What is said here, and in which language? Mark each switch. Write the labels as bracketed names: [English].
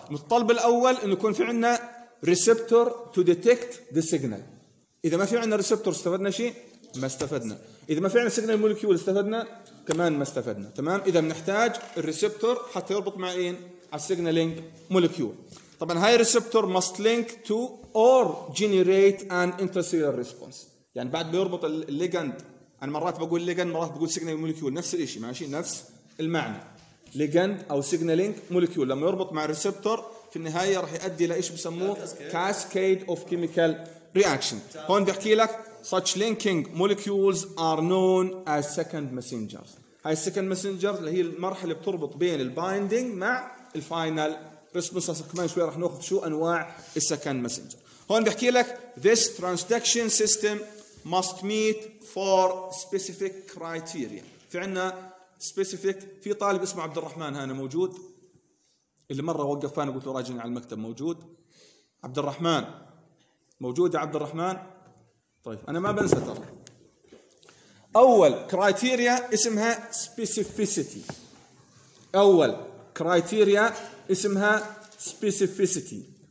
[Arabic] المتطلب الأول إنه يكون في عنا ريسبتور [English] To detect the signal. [Arabic] إذا ما في عنا ريسبتور استفدنا شيء؟ ما استفدنا. إذا ما في عنا سيجنال مولكيول استفدنا؟ كمان ما استفدنا. تمام، إذا بنحتاج الريسبتور حتى يربط مع إين؟ على سيجنالينج مولكيول. طبعا هاي [English] الريسبتور must link to or generate an intracellular response. [Arabic] يعني بعد بيربط الليجند، أنا مرات بقول ليجند مرات بقول سيجنال مولكيول، نفس الإشي ماشي، نفس المعنى. ليجند أو سيجنالينج مولكيول لما يربط مع الريسبتور في النهاية راح يؤدي لإيش بسموه [English] cascade of chemical reaction. [Arabic] هون بحكي لك [English] such linking molecules are known as second messengers. [Arabic] هاي second messenger اللي هي المرحلة اللي بتربط بين البايندينج مع الفاينال ريسبونس. كمان شوي رح نأخذ شو أنواع السكند مسنجر. هون بحكي لك [English] this transduction system must meet four specific criteria. [Arabic] في عنا specific، في طالب اسمه عبد الرحمن هنا موجود اللي مرة وقفان وقلت له راجعني على المكتب، موجود عبد الرحمن؟ موجود يا عبد الرحمن؟ طيب أنا ما بنسى ترى. أول كرايتيريا اسمها specificity، أول كرايتيريا اسمها specificity.